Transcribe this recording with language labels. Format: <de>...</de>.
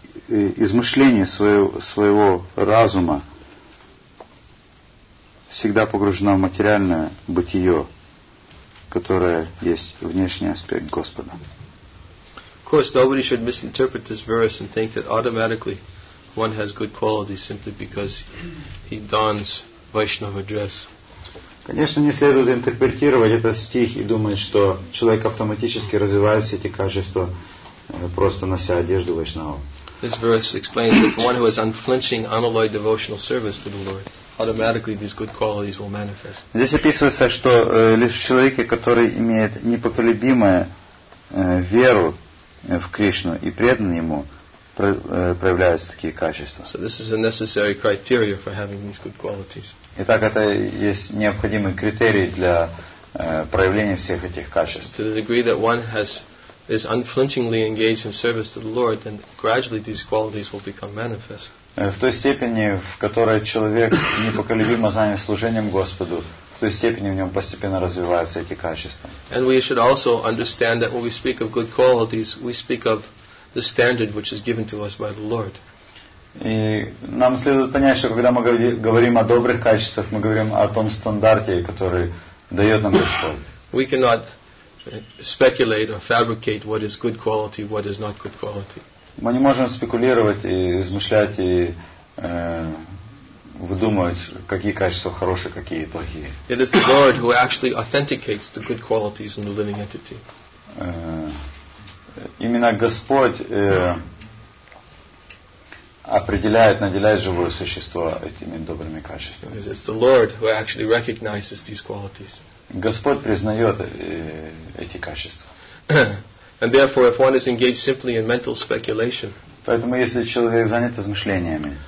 <ru>измышления своего разума всегда погружена в материальное бытие, которое есть внешний аспект Господа.</ru> <en>Of course, nobody should misinterpret this verse and think that automatically one has good qualities simply because he dons Vaishnava dress.</en> <ru>Конечно, не следует интерпретировать этот стих и думать, что человек автоматически развивает все эти качества, просто нося одежду Вайшнава.</ru> <en>This verse explains that for one who has unflinching, unalloyed devotional service to the Lord, automatically these good qualities will manifest.</en> <ru>Здесь описывается, что лишь в человеке, который имеет непоколебимую веру в Кришну и предан ему, проявляются такие качества.</ru> <en>So this is a necessary criteria for having these good qualities.</en> <ru>Итак, это есть необходимый критерий для проявления всех этих качеств.</ru> <en>To the degree that one is unflinchingly engaged in service to the Lord, then gradually these qualities will become manifest.</en> <ru>В той степени, в которой человек непоколебимо занят служением Господу, в той степени в нем постепенно развиваются эти качества.</ru> <en>And we should also understand that when we speak of good qualities, we speak of the standard which is given to us by the Lord.</en> <ru>И нам следует понять, что когда мы говорим о добрых качествах, мы говорим о том стандарте, который дает нам Господь.</ru> <en>We cannot speculate or fabricate what is good quality, what is not good quality.</en> <ru>Мы не можем спекулировать и измышлять и выдумывать, какие качества хорошие, какие плохие.</ru> <en>It is the Lord who actually authenticates the good qualities in the living entity.</en> <ru>Именно Господь определяет, наделяет живое существо этими добрыми качествами.</ru> <en>It is the Lord who actually recognizes these qualities.</en> <ru>Господь признает эти качества.</ru> <en>And therefore, if one is engaged simply in mental speculation,</en> <ru>поэтому если человек занят размышлениями,</ru>